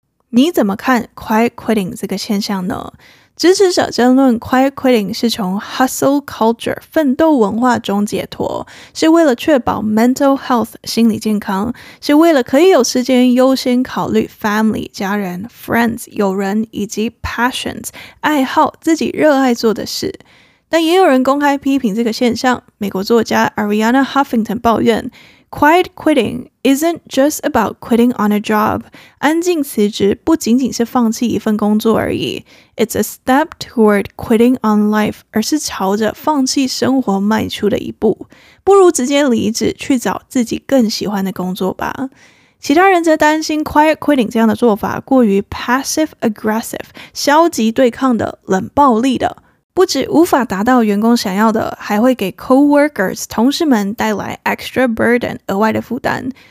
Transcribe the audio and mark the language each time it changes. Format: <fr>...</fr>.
<zh>你怎么看 quiet quitting 这个现象呢？支持者争论 quiet quitting 是从 hustle culture 奋斗文化中解脱，是为了确保 mental health 心理健康，是为了可以有时间优先考虑 family 家人 friends 友人以及 passions 爱好自己热爱做的事。但也有人公开批评这个现象，美国作家 Arianna Huffington 抱怨</zh> <en>Quiet quitting isn't just about quitting on a job.</en> <zh>安静辞职不仅仅是放弃一份工作而已。</zh> <en>It's a step toward quitting on life,</en> <zh>而是朝着放弃生活迈出的一步。不如直接离职去找自己更喜欢的工作吧。其他人则担心 quiet quitting 这样的做法过于 passive aggressive, 消极对抗的冷暴力的。不止无法达到员工想要的，还会给 co-workers 同事们带来 extra burden 额外的负担。</zh>